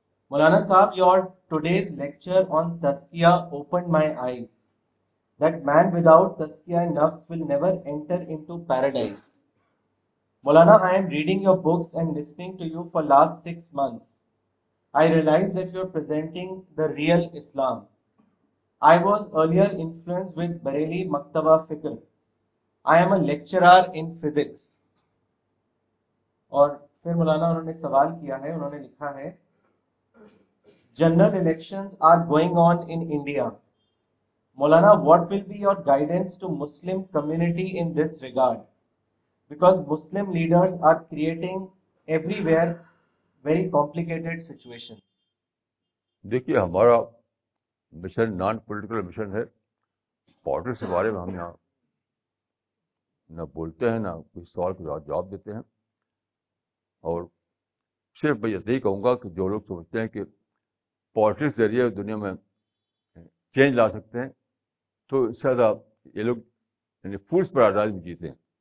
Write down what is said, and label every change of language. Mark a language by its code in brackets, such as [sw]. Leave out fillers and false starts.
[en] मौलाना साहब, your today's lecture on तस्किया open my eyes that man without तस्किया एंड नफ्स will never enter into paradise. मौलाना, I am reading your books and listening to you for last 6 months। I realise that you are presenting the real Islam. I was earlier influenced with Bareilly Maktaba Fikr. I am a lecturer in physics. [hi] और फिर मौलाना उन्होंने सवाल किया है, उन्होंने लिखा है, [en] General elections are going on in India. Molana, what will be your guidance to Muslim community in this regard? Because Muslim leaders are creating everywhere very complicated situations. [hi] देखिए, हमारा मिशन नॉन पॉलिटिकल मिशन है। Politics के बारे में हम यहाँ न बोलते हैं ना कोई सवाल का जवाब देते हैं, और सिर्फ मैं यही कहूँगा कि जो लोग सोचते हैं कि पॉलिटिक्स जरिए दुनिया में चेंज ला सकते हैं, तो इससे ज़्यादा ये लोग यानी फूल्स पैराडाइज में जीते हैं।